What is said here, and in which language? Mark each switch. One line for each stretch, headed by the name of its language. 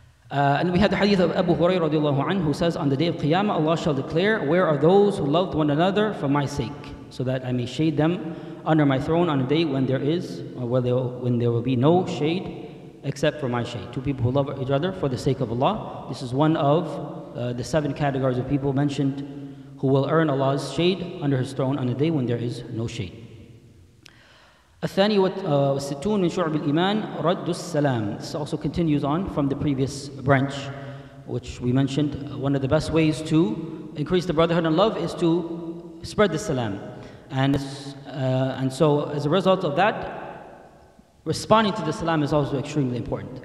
English: And we have the hadith of Abu Hurairah radiallahu anhu, who says, on the day of Qiyamah, Allah shall declare, where are those who loved one another for my sake, so that I may shade them under my throne on a day when there is, or when there will be no shade except for my shade. Two people who love each other for the sake of Allah. This is one of the seven categories of people mentioned who will earn Allah's shade under His throne on a day when there is no shade.
Arabic: الثاني والستون من شعب الإيمان رد السلام.
English: This also continues on from the previous branch, which we mentioned. One of the best ways to increase the brotherhood and love is to spread the salam. And so as a result of that, responding to the salam is also extremely important.